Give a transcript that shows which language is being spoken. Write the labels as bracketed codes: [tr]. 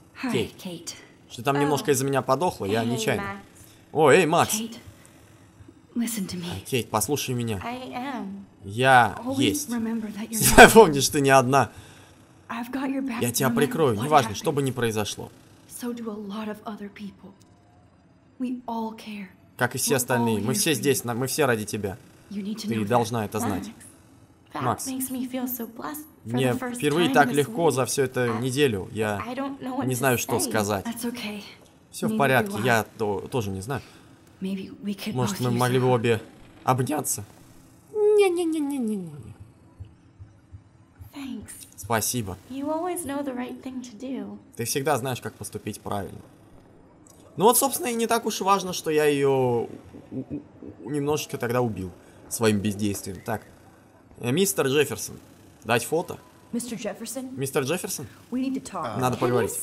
[ru] Кейт. Что там немножко из-за меня подохло, я нечаянно. О, эй, Макс. [en] Listen to me. [ru] Кейт, послушай меня. [en] I am. [ru] Я есть. Помни, что не одна. [en] I've got your back. [ru] Я тебя прикрою, неважно, что бы ни произошло. [en] So do a lot of other people. We all care. [ru] Как и все остальные, мы все здесь, мы все ради тебя. Ты должна это знать. Макс, мне впервые так легко за всю эту неделю. Я не знаю, что сказать. Все в порядке, я тоже не знаю. Может, мы могли бы обе обняться? Не-не-не-не-не-не. [en] Thanks. [ru] Спасибо. [en] You always know the right thing to do. [ru] Ты всегда знаешь, как поступить правильно. Ну вот, собственно, и не так уж важно, что я ее немножечко тогда убил своим бездействием. Так, мистер Джефферсон, дать фото? Мистер Джефферсон? Мистер Джефферсон? [en] We need to talk. [ru] Надо поговорить.